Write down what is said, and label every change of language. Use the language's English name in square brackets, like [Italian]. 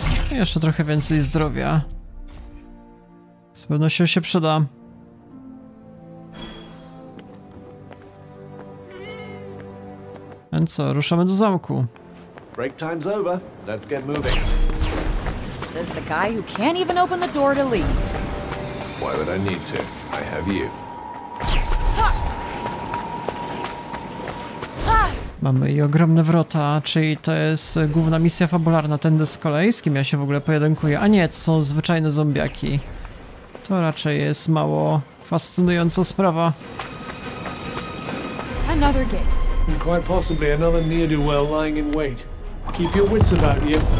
[Polish] jeszcze trochę więcej zdrowia. Z pewnością się przyda. Więc co, ruszamy do zamku. [English] Break time's over. Let's get moving. Says the guy who can't even open the door to leave. Why would I need to? I have you. [Polish] Mamy i ogromne wrota, czyli to jest główna misja fabularna, tędy z kolei, z kim ja się w ogóle pojedynkuję. A nie, to są zwyczajne zombiaki. To raczej jest mało fascynująca sprawa. [English] Another gate. Quite possibly another ne'er-do-well lying in wait. Keep your wits about you.